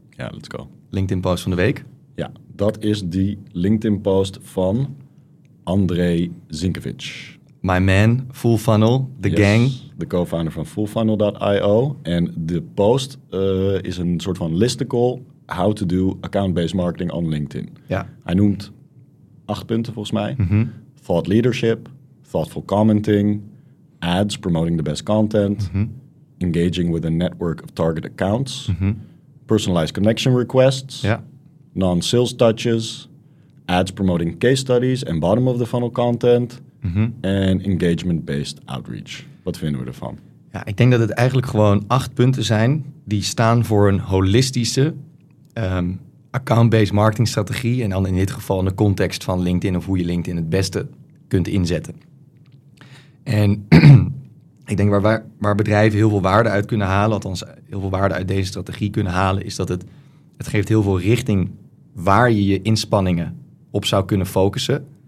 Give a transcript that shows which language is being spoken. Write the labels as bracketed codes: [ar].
[en] Ja, let's go. [nl] LinkedIn post van de week. Ja, dat is die LinkedIn post van André Zinkevich. [en] My man, Full Funnel, the gang. [nl] De co-founder van FullFunnel.io. En de post is een soort van listicle. [en] How to do account-based marketing on LinkedIn. [nl] Ja. Hij noemt 8 punten volgens mij. Mm-hmm. [en] Thought leadership, thoughtful commenting, ads promoting the best content, mm-hmm. engaging with a network of target accounts, mm-hmm. personalized connection requests, [nl] ja. [en] non-sales touches, ads promoting case studies en bottom of the funnel content, en mm-hmm. engagement-based outreach. [nl] Wat vinden we ervan? Ja, ik denk dat het eigenlijk gewoon 8 punten zijn die staan voor een holistische account-based marketingstrategie. En dan in dit geval in de context van LinkedIn of hoe je LinkedIn het beste kunt inzetten. En ik denk waar bedrijven heel veel waarde uit kunnen halen, althans heel veel waarde uit deze strategie kunnen halen, is dat het geeft heel veel richting waar je je inspanningen op zou kunnen focussen.